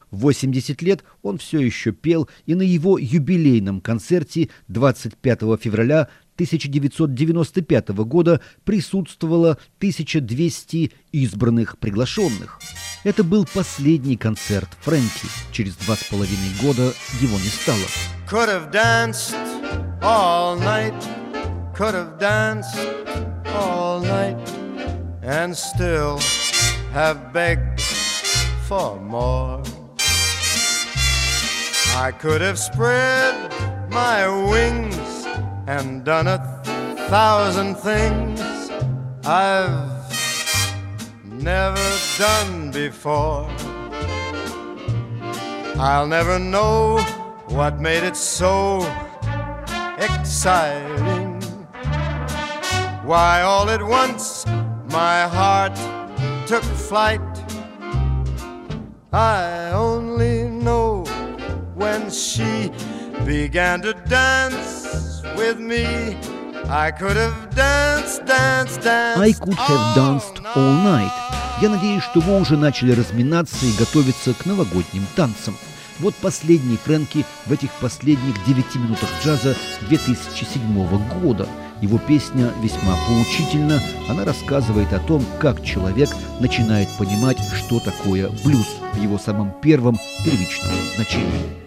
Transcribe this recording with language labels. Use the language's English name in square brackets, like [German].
[Russian] В 80 лет он все еще пел, и на его юбилейном концерте 25 февраля 1995 года присутствовало 1200 избранных приглашенных. Это был последний концерт Фрэнки. Через 2.5 года его не стало. [English] Could have danced all night, could have danced all night, and still have begged for more. I could have spread my wings and done a thousand things I've never done before. I'll never know what made it so exciting, why all at once my heart took flight. I only know when she began to dance with me, I could have danced, danced, danced. I could have danced all night. [Russian] Я надеюсь, что вы уже начали разминаться и готовиться к новогодним танцам. Вот последние Фрэнки в этих последних 9 минутах джаза 2007 года. Его песня весьма поучительна. Она рассказывает о том, как человек начинает понимать, что такое блюз в его самом первом первичном значении.